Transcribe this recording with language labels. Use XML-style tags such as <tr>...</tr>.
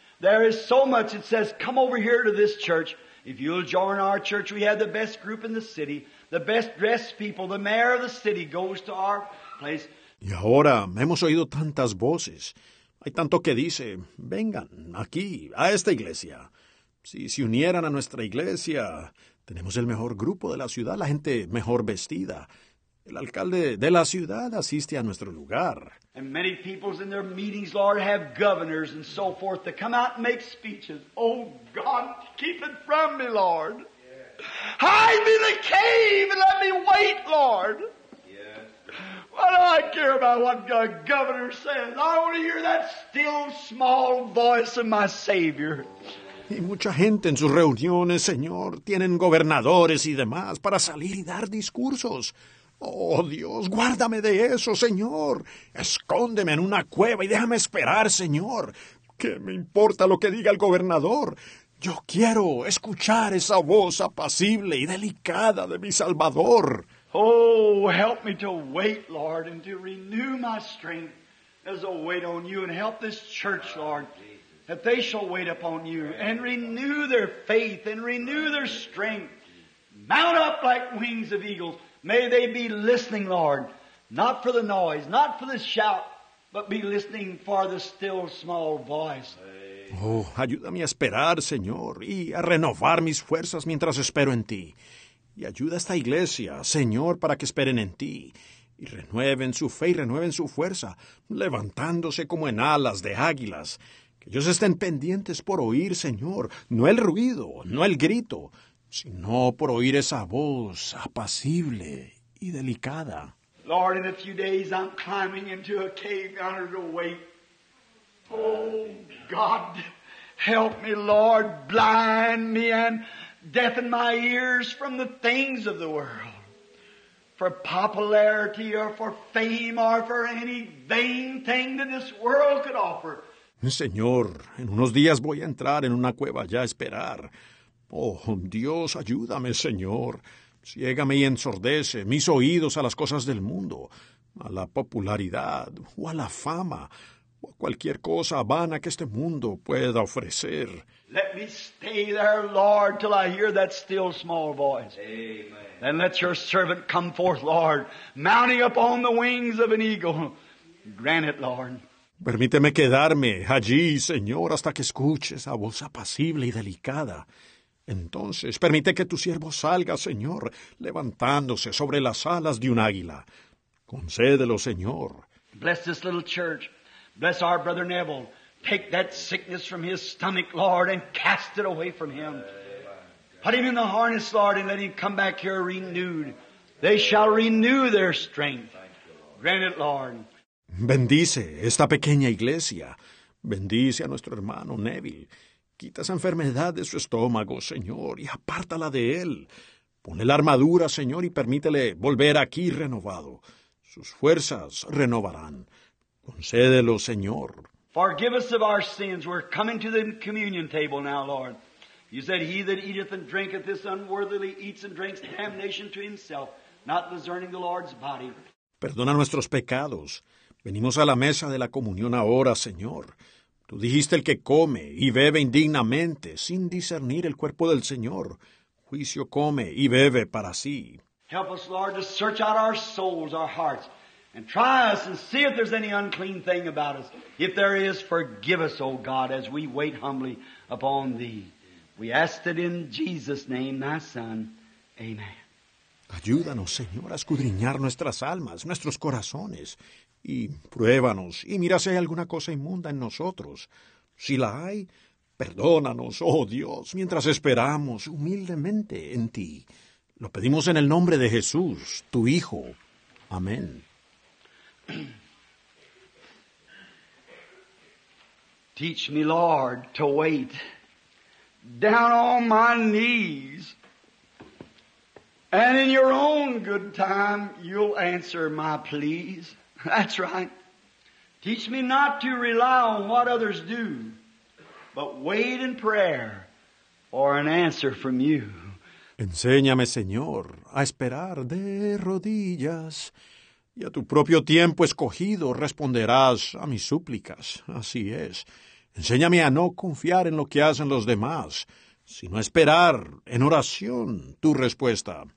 <en>There is so much that says, come over here to this church. If you'll join our church, we have the best group in the city. The best dressed people, the mayor of the city goes to our place.</en> <es>Y ahora, hemos oído tantas voces. Hay tanto que dice, vengan aquí, a esta iglesia. Si se unieran a nuestra iglesia, tenemos el mejor grupo de la ciudad, la gente mejor vestida. El alcalde de la ciudad asiste a nuestro lugar.</es> <en>And many people in their meetings, Lord, have governors and so forth to come out and make speeches. Oh, God, keep it from me, Lord. Hide me in the cave and let me wait, Lord. Yes. Why do I care about what the governor says? I want to hear that still, small voice of my Savior.</en> <es>Y mucha gente en sus reuniones, Señor, tienen gobernadores y demás para salir y dar discursos. Oh, Dios, guárdame de eso, Señor. Escóndeme en una cueva y déjame esperar, Señor. ¿Qué me importa lo que diga el gobernador? Yo quiero escuchar esa voz apacible y delicada de mi Salvador.</es> <en>Oh, help me to wait, Lord, and to renew my strength as I wait on you. And help this church, Lord, that they shall wait upon you and renew their faith and renew their strength. Mount up like wings of eagles. May they be listening, Lord, not for the noise, not for the shout, but be listening for the still small voice.</en> <es>Oh, ayúdame a esperar, Señor, y a renovar mis fuerzas mientras espero en ti. Y ayuda a esta iglesia, Señor, para que esperen en ti. Y renueven su fe y renueven su fuerza, levantándose como en alas de águilas. Que ellos estén pendientes por oír, Señor, no el ruido, no el grito, sino por oír esa voz apacible y delicada.</es> <en>Lord, in a few days I'm climbing into a cave under the weight. Oh, God, help me, Lord, blind me and deafen my ears from the things of the world, for popularity or for fame or for any vain thing that this world could offer.</en> <es>Señor, en unos días voy a entrar en una cueva ya a esperar. Oh, Dios, ayúdame, Señor. Ciégame y ensordece mis oídos a las cosas del mundo, a la popularidad o a la fama, o cualquier cosa vana que este mundo pueda ofrecer.</es> <en>Let me stay there, Lord, till I hear that still small voice. Amen. Then let your servant come forth, Lord, mounting upon the wings of an eagle. Grant it, Lord.</en> <es>Permíteme quedarme allí, Señor, hasta que escuche esa voz apacible y delicada. Entonces, permite que tu siervo salga, Señor, levantándose sobre las alas de un águila. Concédelo, Señor.</es> <en>Bless this little church. Bless our brother Neville. Take that sickness from his stomach, Lord, and cast it away from him. Put him in the harness, Lord, and let him come back here renewed. They shall renew their strength. Grant it, Lord.</en> <es>Bendice esta pequeña iglesia. Bendice a nuestro hermano Neville. Quita esa enfermedad de su estómago, Señor, y apártala de él. Ponle la armadura, Señor, y permítele volver aquí renovado. Sus fuerzas renovarán. Concédelo, Señor.</es> <en>Forgive us of our sins. We're coming to the communion table now, Lord. You said, he that eateth and drinketh this unworthily eats and drinks damnation to himself, not discerning the Lord's body.</en> <es>Perdona nuestros pecados. Venimos a la mesa de la comunión ahora, Señor. Tú dijiste, el que come y bebe indignamente, sin discernir el cuerpo del Señor, juicio come y bebe para sí.</es> <en>Help us, Lord, to search out our souls, our hearts, and try us and see if there's any unclean thing about us. If there is, forgive us, O God, as we wait humbly upon Thee. We ask it in Jesus' name, Thy Son. Amen.</en> <es>Ayúdanos, Señor, a escudriñar nuestras almas, nuestros corazones, y pruébanos, y mira si hay alguna cosa inmunda en nosotros. Si la hay, perdónanos, oh Dios, mientras esperamos humildemente en Ti. Lo pedimos en el nombre de Jesús, Tu Hijo. Amén.</es> <en>Teach me, Lord, to wait down on my knees, and in your own good time you'll answer my pleas. That's right. Teach me not to rely on what others do, but wait in prayer for an answer from you.</en> <es>Enséñame, Señor, a esperar de rodillas, y a tu propio tiempo escogido responderás a mis súplicas. Así es. Enséñame a no confiar en lo que hacen los demás, sino a esperar en oración tu respuesta.</es>